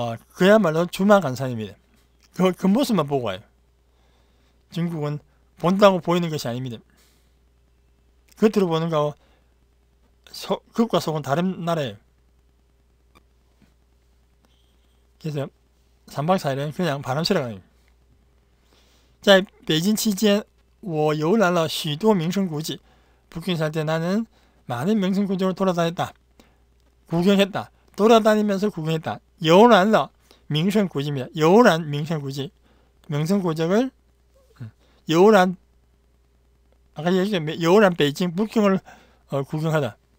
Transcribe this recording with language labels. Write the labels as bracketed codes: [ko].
[ko] 그야말로 주마간산입니다. 그 겉모습만 보고 와요. 중국은 본다고 보이는 것이 아닙니다. 겉으로 보는 거하고 겉과 속은 다른 나라예요. 그래서 3박 4일은 그냥 바람쐬러 가요. [zh] 在 베이징 期间, 我游览了许多名胜古迹。 [ko] 북경 살때 나는 많은 명성古迹을 돌아다녔다. 구경했다. 돌아다니면서 구경했다. 여우란러 명성古迹입니다. 여우란 명성古迹, 명성古迹을 여우란 아까 얘기했죠. 여우란 베이징 북경을 구경하다.